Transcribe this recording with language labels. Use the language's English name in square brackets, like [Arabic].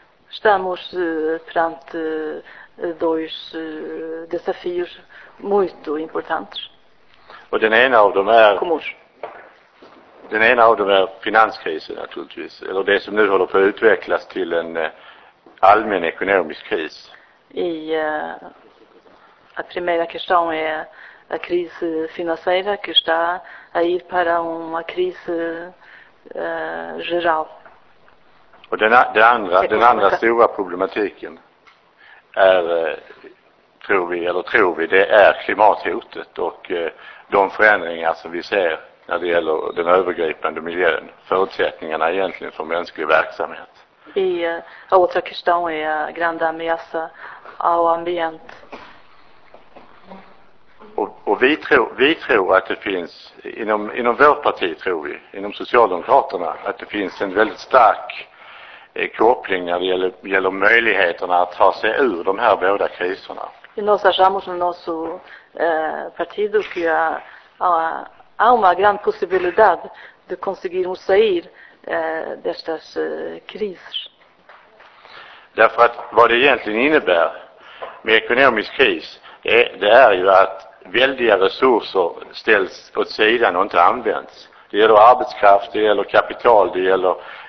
[Portuguese] Estamos perante dois desafios muito importantes. [Swedish] Och den ena av dem är den ena av dem är finanskrisen naturligtvis, eller det som nu håller på att utvecklas till en allmän ekonomisk kris. [Portuguese] I a primeira questão é a crise financeira que está a ir para uma crise geral. [Swedish] Och den andra stora problematiken är tror vi det är klimathotet och de förändringar som vi ser när det gäller den övergripande miljön, förutsättningarna egentligen för mänsklig verksamhet. [Portuguese] E a outra questão é a grande ameaça ao ambiente. [Swedish] Och vi tror att det finns inom vårt parti, tror vi, inom Socialdemokraterna, att det finns en väldigt stark koppling när det gäller möjligheterna att ta sig ur de här båda kriserna. [Portuguese] E nós achamos no nosso partido que há uma grande possibilidade de conseguirmos sair destas crises. [Swedish] Därför att vad det egentligen innebär med ekonomisk kris, det är ju att väldiga resurser ställs åt sidan och inte används. Det gäller arbetskraft, det gäller kapital, det gäller